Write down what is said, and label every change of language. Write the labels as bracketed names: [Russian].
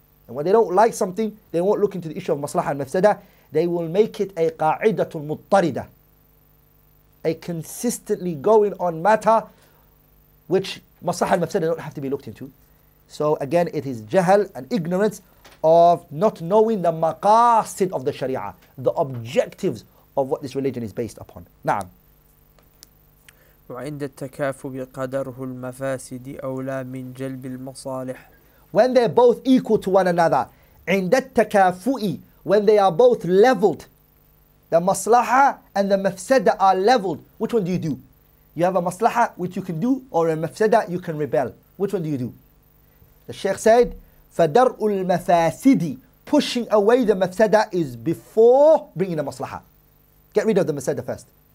[English] And when they don't like something, they won't look into the issue of Maslaha al-Mafsada. They will make it a qa'idatul muttarida, a consistently going on matter which Maslaha al-Mafsada don't have to be looked into. So again, it is jahl and ignorance of not knowing the maqasid of the sharia, the objectives of what this religion is based upon. Na'am. [Arabic] وعند التكافؤ قدره المفاسد أولى من جلب المصالح. [English] When they're both equal to one another, [Arabic] عند التكافؤ, [English] when they are both leveled, the maslaha and the mafsada are leveled, which one do you do? You have a maslaha which you can do, or a mafsada you can rebel. Which one do you do? The Shaykh said, [Arabic] فدرء المفاسد, [English] pushing away the mafsada is before bringing the maslaha. Get rid of the mafsada first.